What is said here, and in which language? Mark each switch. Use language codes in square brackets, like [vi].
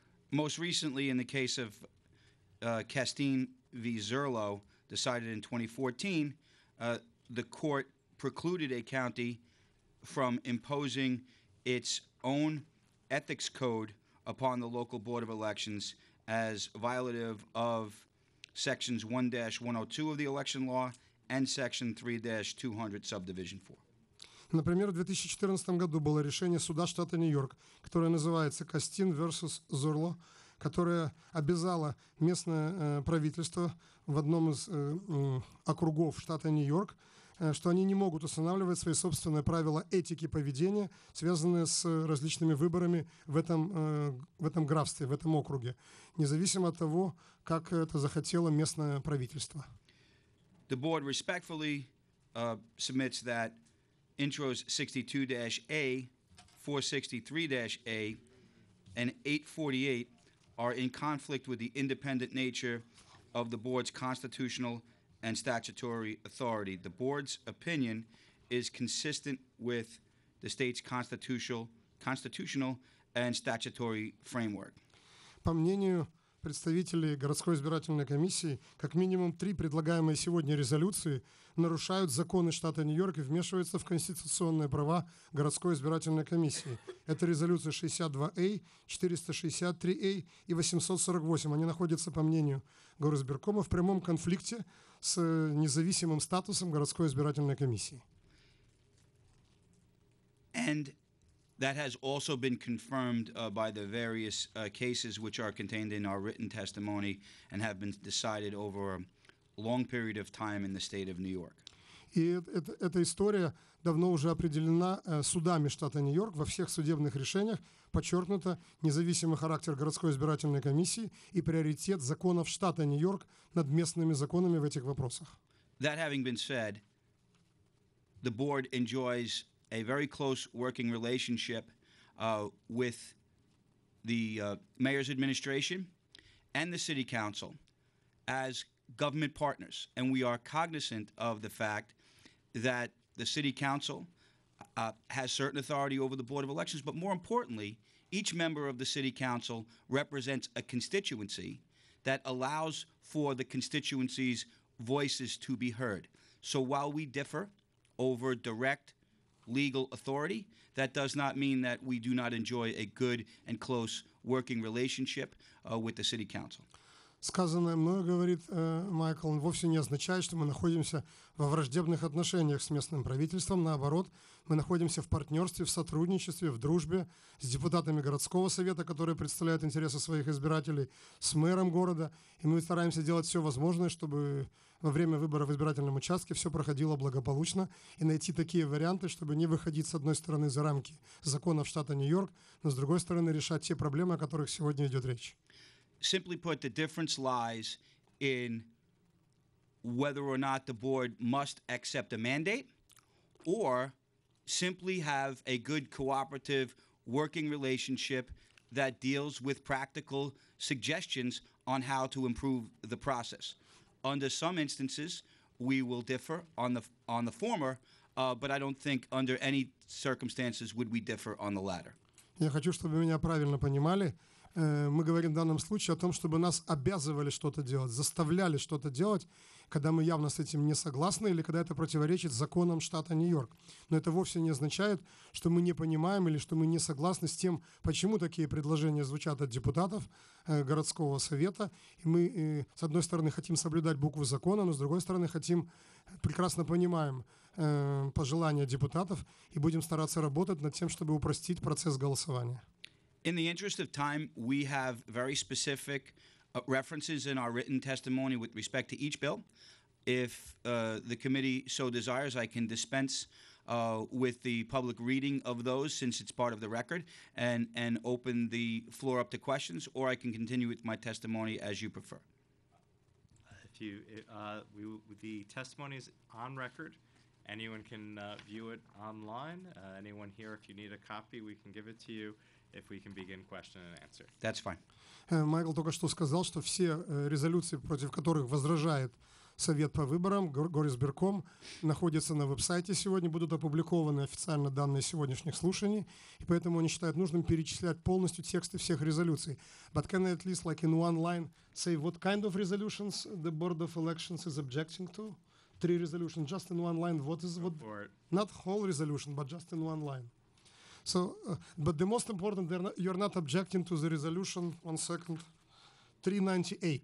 [en] Most recently in the case of Castine v. Zerlo, decided in 2014, the court precluded a county from imposing its own ethics code upon the local board of elections as violative of sections 1-102 of the election law and section 3-200 subdivision 4. [ru] Например, в 2014 году было решение суда штата Нью-Йорк, которое называется Castine versus Zerlo, которая обязала местное правительство в одном из округов штата Нью-Йорк, что они не могут устанавливать свои собственные правила этики поведения, связанные с различными выборами в этом графстве, в этом округе, независимо от того, как это захотело местное правительство. [en] The board respectfully submits that intros 62-A, 463-A, and 848 are in conflict with the independent nature of the board's constitutional and statutory authority. The board's opinion is consistent with the state's constitutional and statutory framework. [ru] По мнению представителей городской избирательной комиссии, как минимум три предлагаемые сегодня резолюции нарушают законы штата Нью-Йорк и вмешиваются в конституционные права городской избирательной комиссии. Это резолюция 62A, 463A и 848. Они находятся, по мнению горосбиркома, в прямом конфликте с независимым статусом городской избирательной комиссии. [en] And that has also been confirmed by the various cases which are contained in our written testimony and have been decided over long period of time in the state of New York. [ru] И эта история давно уже определена судами штата Нью-Йорк во всех судебных решениях, подчеркнуто независимый характер городской избирательной комиссии и приоритет законов штата Нью-Йорк над местными законами в этих вопросах. [en] That having been said, the board enjoys a very close working relationship with the mayor's administration and the city council as government partners, and we are cognizant of the fact that the city council has certain authority over the board of elections, but more importantly, each member of the city council represents a constituency that allows for the constituency's voices to be heard. So while we differ over direct legal authority, that does not mean that we do not enjoy a good and close working relationship with the city council. [ru] Сказанное мною, говорит Майкл, вовсе не означает, что мы находимся во враждебных отношениях с местным правительством. Наоборот, мы находимся в партнерстве, в сотрудничестве, в дружбе с депутатами городского совета, которые представляют интересы своих избирателей, с мэром города. И мы стараемся делать все возможное, чтобы во время выбора в избирательном участке все проходило благополучно и найти такие варианты, чтобы не выходить, с одной стороны, за рамки законов штата Нью-Йорк, но, с другой стороны, решать те проблемы, о которых сегодня идет речь. [en] Simply put, the difference lies in whether or not the board must accept a mandate or simply have a good cooperative working relationship that deals with practical suggestions on how to improve the process. Under some instances, we will differ on the former, but I don't think under any circumstances would we differ on the latter. [ru] Я хочу, чтобы меня правильно понимали. Мы говорим в данном случае о том, чтобы нас обязывали что-то делать, заставляли что-то делать, когда мы явно с этим не согласны или когда это противоречит законам штата Нью-Йорк. Но это вовсе не означает, что мы не понимаем или что мы не согласны с тем, почему такие предложения звучат от депутатов городского совета. И мы, с одной стороны, хотим соблюдать букву закона, но, с другой стороны, хотим, прекрасно понимаем пожелания депутатов и будем стараться работать над тем, чтобы упростить процесс голосования. [en] In the interest of time, we have very specific references in our written testimony with respect to each bill. If the committee so desires, I can dispense with the public reading of those, since it's part of the record, and open the floor up to questions, or I can continue with my testimony as you prefer. The testimony is on record. Anyone can view it online. Anyone here, if you need a copy, we can give it to you. If we can begin question and answer. That's fine. [ru] Майкл только что сказал, что все резолюции, против которых возражает Совет по выборам, Горисберком, находятся на веб-сайте сегодня, будут опубликованы официально данные сегодняшних слушаний, и поэтому они считают нужным перечислять полностью тексты всех резолюций. [en] But can I at least, like in one line, say what kind of resolutions the Board of Elections is objecting to? Three resolutions, just in one line, what is what? Not whole resolution, but just in one line. So, but the most important, you're not objecting to the resolution, 1 second, 398.